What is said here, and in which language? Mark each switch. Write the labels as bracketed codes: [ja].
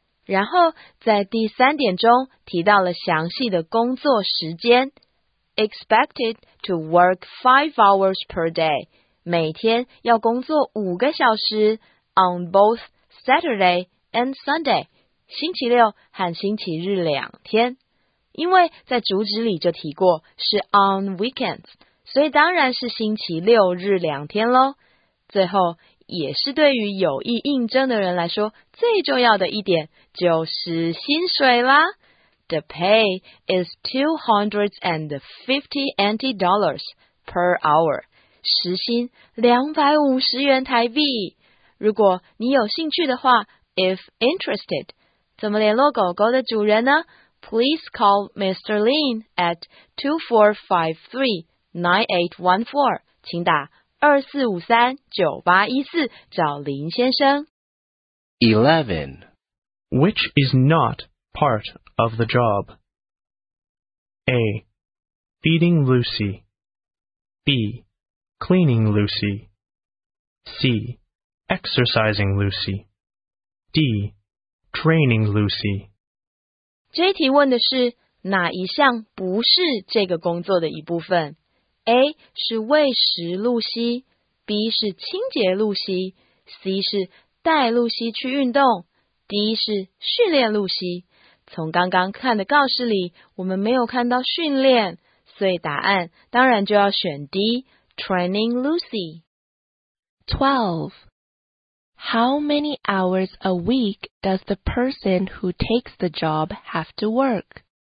[zh] 然后在第三点中提到了详细的工作时间， [en] expected to work 5 hours per day， [zh] 每天要工作5个小时， [en] on both Saturday and Sunday， [zh] 星期六和星期日两天。因为在主旨里就提过是 [en] on weekends， [zh] 所以当然是星期六日两天咯。最后也是对于有意应征的人来说最重要的一点，就是薪水啦。 [en] The pay is $250 per hour， [zh] 时薪250元台币。如果你有兴趣的话， [en] If interested， [zh] 怎么联络狗狗的主人呢？ [en] Please call Mr. Lin at 2453-9814， [zh] 请打2453-9814，找林先生。 11. [en] Which is not part of the job? A. Feeding Lucy. B. Cleaning Lucy. C. Exercising Lucy. D. Training Lucy. [zh] 这题问的是哪一项不是这个工作的一部分？ A 是喂食露西， B 是清洁露西， C 是带露西去运动， D 是训练露西。从刚刚看的告示里，我们没有看到训练，所以答案当然就要选 D， [en] Training Lucy。 12. How many hours a week does the person who takes the job have to work?